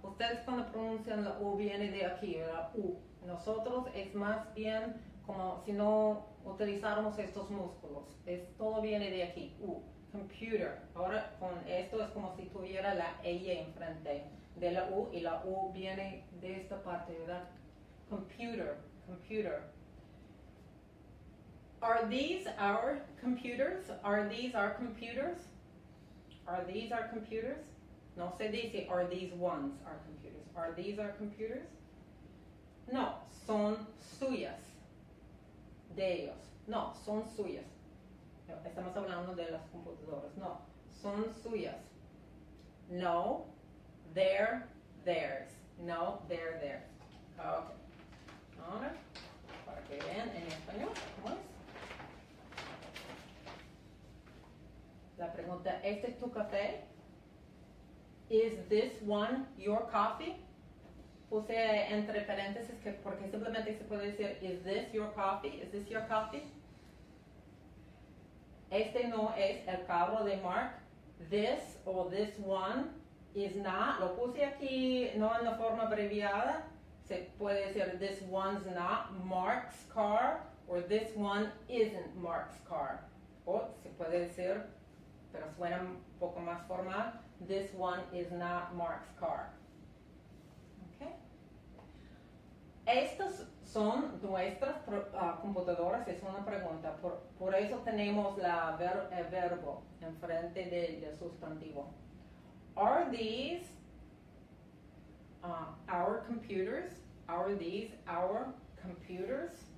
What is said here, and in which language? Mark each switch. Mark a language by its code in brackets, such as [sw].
[es] Ustedes cuando pronuncian la U viene de aquí, la U. Nosotros es más bien como si no utilizáramos estos músculos. Todo viene de aquí. Computer. Ahora con esto es como si tuviera la E enfrente de la U y la U viene de esta parte, ¿verdad? [en] Computer. Computer. Are these our computers? Are these our computers? Are these our computers? [es] No se dice, [en] are these ones our computers? Are these our computers? [es] No, son suyas. De ellos. No, son suyas. Estamos hablando de las computadoras. No, son suyas. [en] No, they're theirs. No, they're theirs. [es] Ahora, para que vean en español, ¿cómo es? La pregunta, ¿este es tu café? [en] Is this one your coffee? [es] Puse entre paréntesis que porque simplemente se puede decir, [en] is this your coffee? [es] Is this your coffee? Este no es el carro de Mark. [en] This or this one is not. [es] Lo puse aquí, no en la forma abreviada. Se puede decir, [en] this one's not Mark's car. Or this one isn't Mark's car. [es] O se puede decir, pero suena un poco más formal, [en] this one is not Mark's car. [es] Estas son nuestras computadoras, es una pregunta. Por eso tenemos el verbo enfrente del sustantivo. [en] Are these our computers? Are these our computers?